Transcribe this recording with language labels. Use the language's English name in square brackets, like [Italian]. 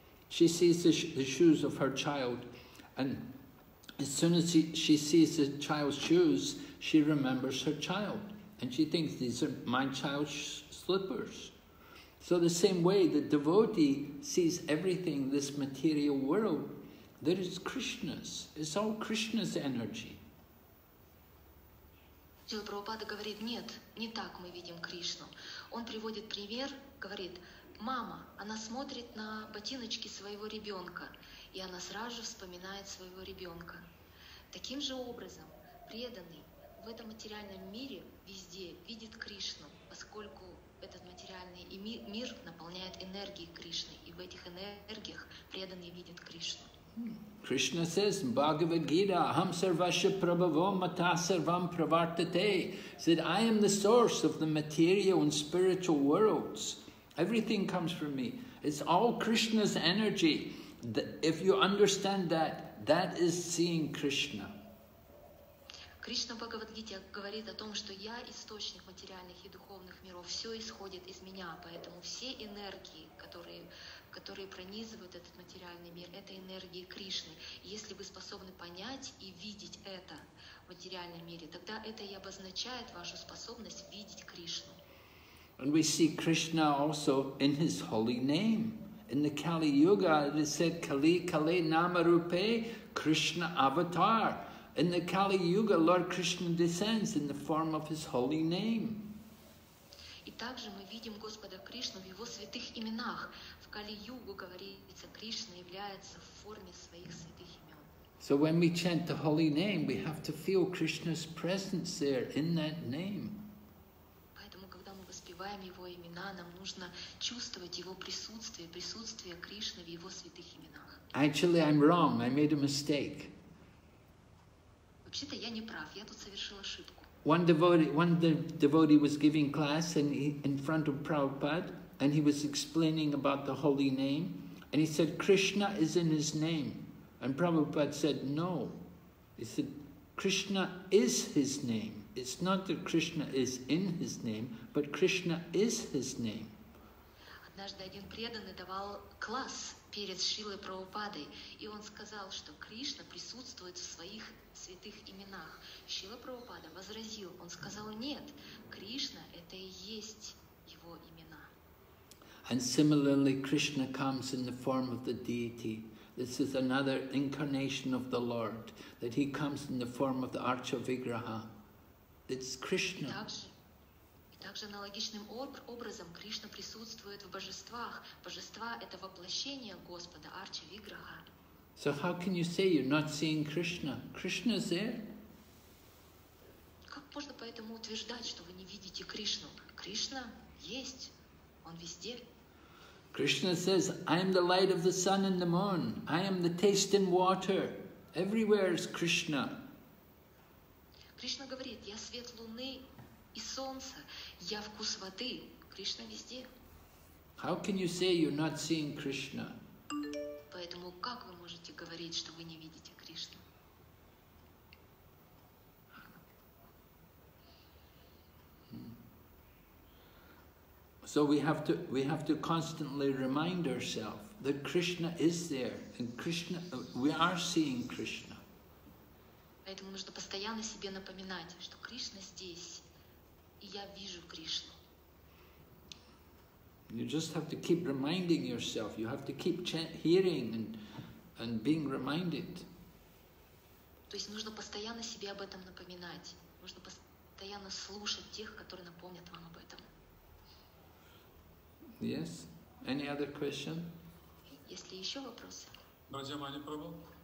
[English] She sees the shoes of her child, and as soon as she sees the child's shoes, she remembers her child, and she thinks, these are my child's slippers. So the same way the devotee sees everything, this material world, there is Krishna's. It's all Krishna's energy. [Russian] Шрила Прабхупада говорит, нет, не так мы видим Кришну. Он приводит пример, говорит, мама, она смотрит на ботиночки своего ребенка, и она сразу же вспоминает своего ребенка. Таким же образом, преданный в этом материальном мире везде видит Кришну, поскольку этот материальный мир наполняет энергией Кришны, и в этих энергиях преданный видит Кришну. [English] Krishna says, Bhagavad Gita, [Sanskrit] Aham Sarvasya Prabhavo Mata Sarvam Pravartate, [English] said, I am the source of the material and spiritual worlds. Everything comes from me. It's all Krishna's energy. If you understand that, that is seeing Krishna. [Russian] Кришна Бхагавад Гита говорит о том, что я источник материальных и духовных миров, все исходит из меня, поэтому все энергии, которые пронизывают этот материальный мир, это энергии Кришны. Если вы способны понять и видеть это в материальном мире, тогда это и обозначает вашу способность видеть Кришну. [English] And we see Krishna also in his holy name. In the Kali Yuga, it is said, [Sanskrit] Kali Kali Namarupe Krishna Avatar. [English] In the Kali Yuga, Lord Krishna descends in the form of his holy name. [Russian] И также мы видим Господа Кришну в его святых именах. В Кали Югу говорится, Кришна является в форме своих святых имен. [English] So when we chant the holy name, we have to feel Krishna's presence there in that name. [Russian] Поэтому, когда мы воспеваем его имена, нам нужно чувствовать его присутствие, присутствие Кришны в его святых именах. [English] Actually, I'm wrong. I made a mistake. [Russian] Вообще-то я не прав, я тут совершил ошибку. [English] One devotee was giving class and he, in front of Prabhupada, and he was explaining about the holy name, and he said, Krishna is in his name. And Prabhupada said, no. He said, Krishna is his name. It's not that Krishna is in his name, but Krishna is his name. [Russian] Однажды один преданный давал класс перед Шрилой Прабхупадой, и он сказал, что Кришна присутствует в своих святых именах. Шрила Прабхупада возразил, он сказал, нет, Кришна — это и есть его имена. [English] And similarly, Krishna comes in the form of the deity. This is another incarnation of the Lord, that he comes in the form of the Archavigraha. It's Krishna. [Russian] Также аналогичным образом Кришна присутствует в божествах. Божества — это воплощение Господа, Арча Виграха. [English] So how can you say you're not seeing Krishna? Krishna is there. [Russian] Как можно поэтому утверждать, что вы не видите Кришну? Кришна есть, он везде. [English] Krishna says, I am the light of the sun and the moon. I am the taste in water. Everywhere is Krishna. [Russian] Кришна говорит, я свет луны и солнца. Я вкус воды. Кришна везде. [English] How can you say you're not seeing Krishna? [Russian] Поэтому как вы можете говорить, что вы не видите Кришну? [English] So we have to constantly remind ourselves that Krishna is there and Krishna, we are seeing Krishna. [Russian] Поэтому нужно постоянно себе напоминать, что Кришна здесь. И я вижу Кришну. [English] You just have to keep reminding yourself. You have to keep hearing and being reminded. [Russian] То есть нужно постоянно себе об этом напоминать. Нужно постоянно слушать тех, которые напомнят вам об этом. [English] Yes. Any other question? [Russian] Если еще вопросы. Братья Мани пробовал.